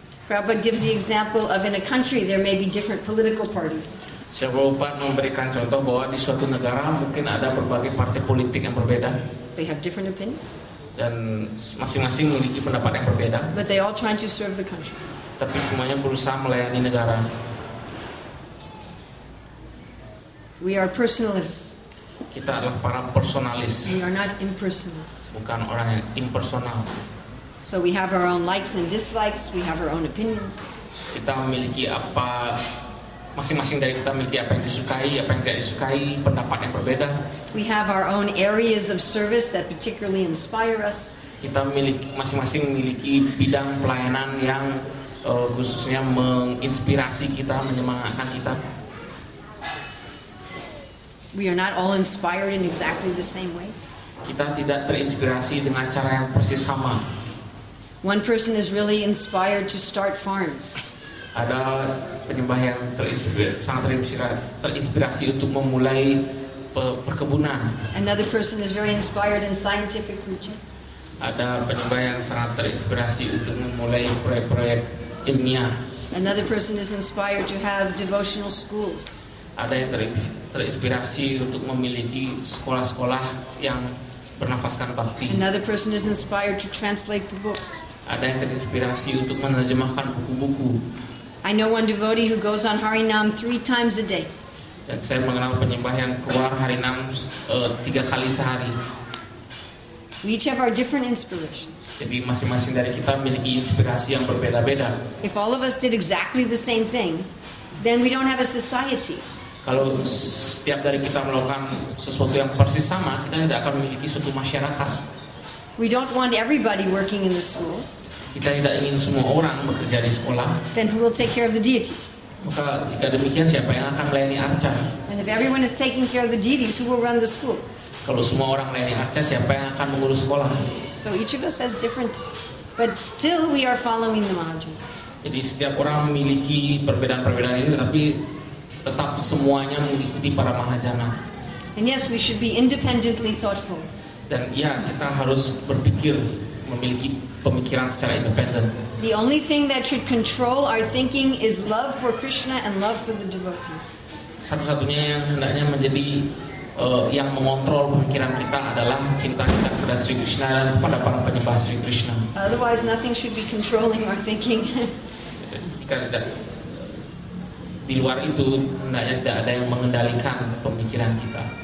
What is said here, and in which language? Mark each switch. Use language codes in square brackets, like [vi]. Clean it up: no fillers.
[en] Prabhupada gives the example of in a country there may be different political parties. [id] Sri Prabhupada memberikan contoh bahwa di suatu negara mungkin ada berbagai partai politik yang berbeda. [en] They have different opinions. [id] Dan masing-masing memiliki pendapat yang berbeda. [en] But they all trying to serve the country. [id] Tapi semuanya berusaha melayani negara. [en] We are personalists. [id] Kita adalah para personalis. [en] We are not impersonalists. [id] Bukan orang yang impersonal. [en] So we have our own likes and dislikes. We have our own opinions. [id] Kita memiliki apa masing-masing dari kita memiliki apa yang disukai, apa yang tidak disukai, pendapat yang berbeda. [en] We have our own areas of service that particularly inspire us. [id] Kita memiliki masing-masing memiliki bidang pelayanan yang khususnya menginspirasi kita, menyemangatkan kita. [en] We are not all inspired in exactly the same way. [id] Kita tidak terinspirasi dengan cara yang persis sama. [en] One person is really inspired to start farms. [id] Ada penyembah yang sangat terinspirasi untuk memulai perkebunan. [en] Another person is very inspired in scientific research. [id] Ada penyembah yang sangat terinspirasi untuk memulai proyek-proyek ilmiah. [en] Another person is inspired to have devotional schools. [id] Ada yang terinspirasi untuk memiliki sekolah-sekolah yang bernafaskan bhakti. [en] Another person is inspired to translate the books. [id] Ada yang terinspirasi untuk menerjemahkan buku-buku. [en] I know one devotee who goes on Harinam 3 times a day. [id] Dan saya mengenal penyembah yang keluar Harinam 3 kali sehari. [en] We each have our different inspirations. [id] Jadi masing-masing dari kita memiliki inspirasi yang berbeda-beda. [en] If all of us did exactly the same thing, then we don't have a society. [id] Kalau setiap dari kita melakukan sesuatu yang persis sama, kita tidak akan memiliki suatu masyarakat. [en] We don't want everybody working in the school. [id] Kita tidak ingin semua orang bekerja di sekolah. [en] Then who will take care of the deities? [id] Maka jika demikian, siapa yang akan melayani arca? [en] And if everyone is taking care of the deities, who will run the school? [id] Kalau semua orang melayani arca, siapa yang akan mengurus sekolah? [en] So each of us has different, but still we are following the Mahajanas. [id] Jadi setiap orang memiliki perbedaan-perbedaan ini, tapi tetap semuanya mengikuti para Mahajana. [en] And yes, we should be independently thoughtful. [id] Dan ya, kita harus berpikir, memiliki pemikiran secara independen. [en] The only thing that should control our thinking is love for Krishna and love for the devotees. [id] Satu-satunya yang hendaknya menjadi yang mengontrol pemikiran kita adalah cinta kita kepada Sri Krishna dan kepada para penyembah Sri Krishna. [en] Otherwise, nothing should be controlling our thinking. [id] Jika tidak, di luar itu hendaknya tidak ada yang mengendalikan pemikiran kita.